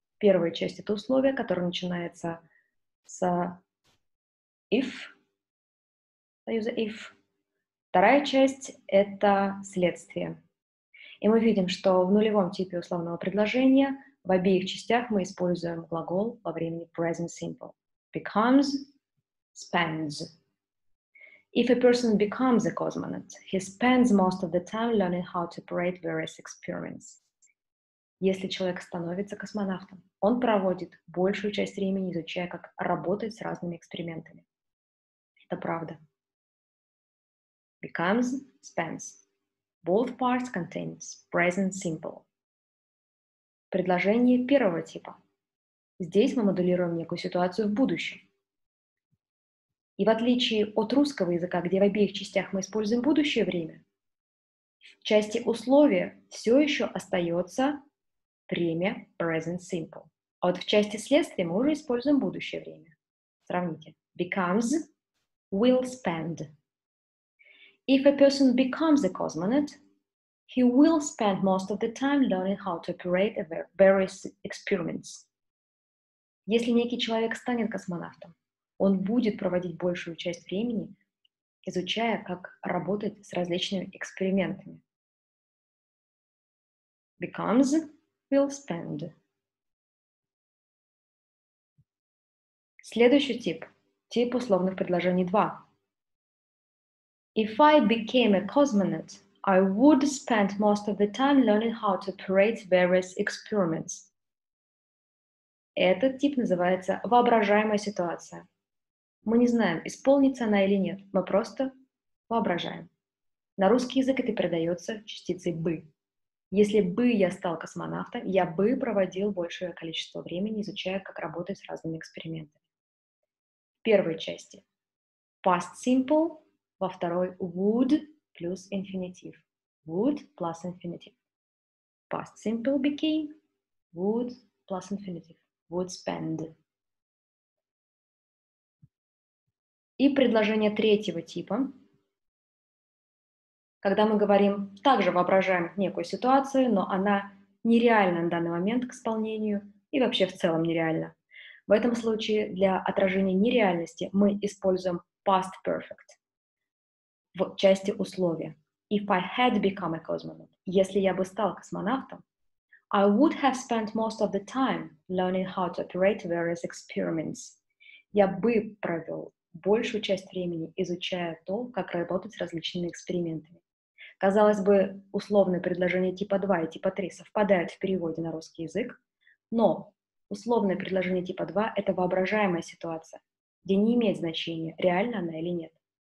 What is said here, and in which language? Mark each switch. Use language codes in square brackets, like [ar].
[ru] Первая часть – это условие, которое начинается с if. Союза if. Вторая часть – это следствие. И мы видим, что в нулевом типе условного предложения в обеих частях мы используем глагол во времени present simple. [en] Becomes, spends. If a person becomes a cosmonaut, he spends most of the time learning how to operate various experiments. [ru] Если человек становится космонавтом, он проводит большую часть времени, изучая, как работать с разными экспериментами. Это правда. [en] Becomes, spends. Both parts contain present simple. [ru] Предложение первого типа. Здесь мы моделируем некую ситуацию в будущем. И в отличие от русского языка, где в обеих частях мы используем будущее время, в части условия все еще остается время present simple. А вот в части следствия мы уже используем будущее время. Сравните. [en] Becomes, will spend. If a person becomes a cosmonaut, he will spend most of the time learning how to operate various experiments. [ru] Если некий человек станет космонавтом, он будет проводить большую часть времени, изучая, как работать с различными экспериментами. [en] Becomes will spend. [ru] Следующий тип. Тип условных предложений 2. [en] If I became a cosmonaut, I would spend most of the time learning how to operate various experiments. [ru] Этот тип называется воображаемая ситуация. Мы не знаем, исполнится она или нет, мы просто воображаем. На русский язык это передается частицей «бы». Если бы я стал космонавтом, я бы проводил большее количество времени, изучая, как работать с разными экспериментами. В первой части past simple, во второй would плюс infinitive. [en] Would plus infinitive. Past simple became would plus infinitive. Would spend. [ru] И предложение третьего типа, когда мы говорим, также воображаем некую ситуацию, но она нереальна на данный момент к исполнению и вообще в целом нереальна. В этом случае для отражения нереальности мы используем past perfect в части условия. [en] If I had become a cosmonaut, [ru] если я бы стал космонавтом, [en] I would have spent most of the time learning how to operate various experiments. [ru] Я бы провел большую часть времени, изучая то, как работать с различными экспериментами. Казалось бы, условные предложения типа 2 и типа 3 совпадают в переводе на русский язык, но условные предложения типа 2 — это воображаемая ситуация, где не имеет значения, реально она или нет.